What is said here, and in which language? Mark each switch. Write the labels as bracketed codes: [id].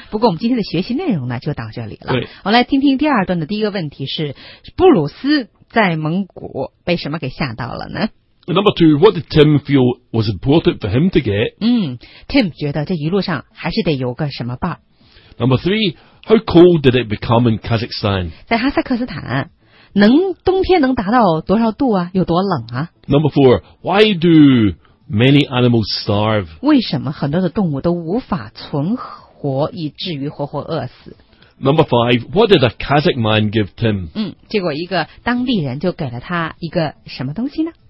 [zh] 不过我们今天的学习内容呢，就到这里了。我来听听第二段的第一个问题是：布鲁斯在蒙古被什么给吓到了呢 [en] ？Number two, what did Tim feel was important for him to get? [zh] Tim 觉得这一路上还是得有个什么伴。 [en] Number three, how cold did it become in Kazakhstan? [zh] 在哈萨克斯坦。能冬天能达到多少度啊？有多冷啊 [en] ？Number four, why do many animals starve? [zh] 为什么很多的动物都无法存活，以至于活活饿死 [en] ？Number five, what did a Kazakh man give Tim? [zh] 结果一个当地人就给了他一个什么东西呢？